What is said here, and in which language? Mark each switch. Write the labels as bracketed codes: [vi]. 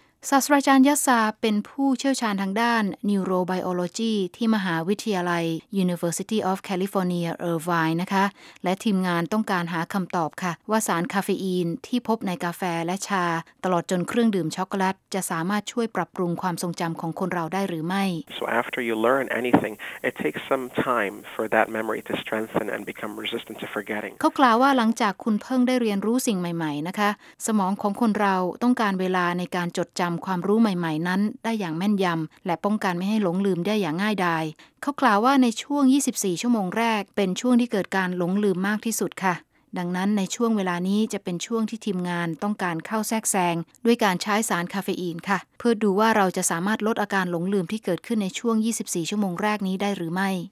[th] ศาสตราจารย์ยัสซาเป็นผู้เชี่ยวชาญทางด้าน Neurobiology ที่มหาวิทยาลัย University of California Irvine นะคะและทีมงานต้องการหาคำตอบค่ะว่าสารคาเฟอีนที่พบในกาแฟและชาตลอดจนเครื่องดื่มช็อกโกแลตจะสามารถช่วยปรับปรุงความทรงจำของคนเราได้หรือไม่ [en] So after you learn anything it takes some time for that memory to strengthen and become resistant to forgetting [th] เขากล่าวว่าหลังจากคุณเพิ่งได้เรียนรู้สิ่งใหม่ๆนะคะสมองของคนเราต้องการเวลาในการจดจำความรู้ใหม่ๆนั้นได้อย่างแม่นยำและป้องกันไม่ให้หลงลืมได้อย่างง่ายดายเขากล่าวว่าในช่วง24ชั่วโมงแรกเป็นช่วงที่เกิดการหลงลืมมากที่สุดค่ะดังนั้นในช่วงเวลานี้จะเป็นช่วงที่ทีมงานต้องการเข้าแทรกแซงด้วยการใช้สารคาเฟอีนค่ะเพื่อดูว่าเราจะสามารถลดอาการหลงลืมที่เกิดขึ้นในช่วง24ชั่วโมงแรกนี้ได้หรือไม่